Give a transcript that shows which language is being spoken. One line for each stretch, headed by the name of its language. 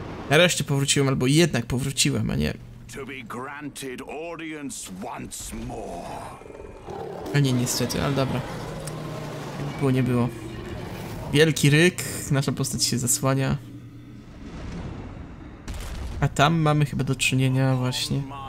Polish: Nareszcie powróciłem, albo jednak powróciłem, a nie...
English: To be granted audience once more.
Polish: A nie, niestety, ale dobra. Było, nie było. Wielki ryk, nasza postać się zasłania. A tam mamy chyba do czynienia właśnie...